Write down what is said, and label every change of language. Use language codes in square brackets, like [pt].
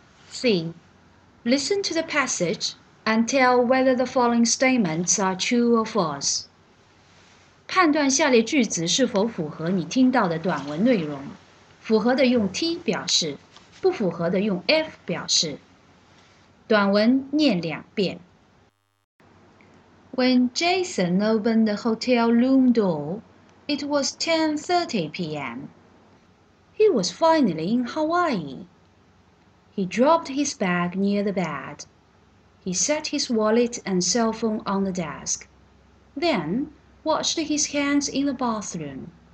[en] C. Listen to the passage and tell whether the following statements are true or false. [zh] 判断下列句子是否符合你听到的短文内容。符合的用 T 表示，不符合的用 F 表示。短文念两遍。 [en] When Jason opened the hotel room door, it was 10:30 p.m. He was finally in Hawaii. He dropped his bag near the bed. He set his wallet and cell phone on the desk. Then washed his hands in the bathroom.